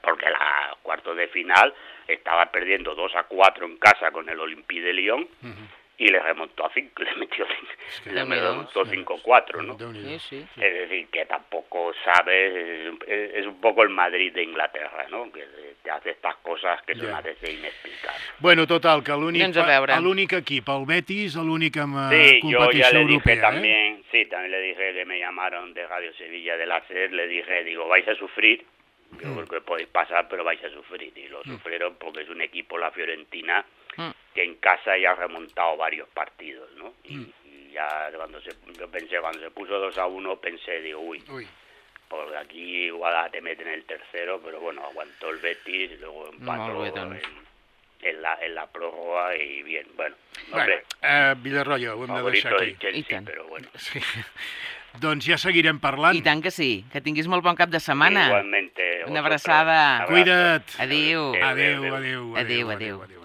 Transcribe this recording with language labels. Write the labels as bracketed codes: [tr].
[es] Porque la cuartos de final estaba perdiendo 2-4 en casa con el Olympique de Lyon. Y le remontó a 5, le metió 5-4, ¿no? Sí. Es decir, que tampoco sabes, es un poco el Madrid de Inglaterra, ¿no? Que te hace estas cosas que son a veces inexplicables. [ca] Bueno, total, que l'únic equip, el Betis, l'únic amb competició [es] europea. Sí, yo ya le dije [ca] europea, [es] también, sí, también le dije que me llamaron de Radio Sevilla de la SER, le dije, digo, vais a sufrir, yo creo que podéis pasar, pero vais a sufrir. Y lo sufrieron porque es un equipo, la Fiorentina, que en casa ya ha remontado varios partidos, ¿no? Y ya cuando se puso 2-1, pensé, digo, uy, porque aquí igual te meten el tercero, pero bueno, aguantó el Betis, luego empató en la prórroga y bien, bueno. [ca] Hombre, Villarroyo, ho hem de deixar aquí. [es] Favorito de Chelsea, pero bueno. [ca] Sí. Doncs ja seguirem parlant. I tant que sí. Que tinguis molt bon cap de setmana. Igualmente. Una abraçada. Cuida't. Adéu. Adéu, adéu, adéu, adéu.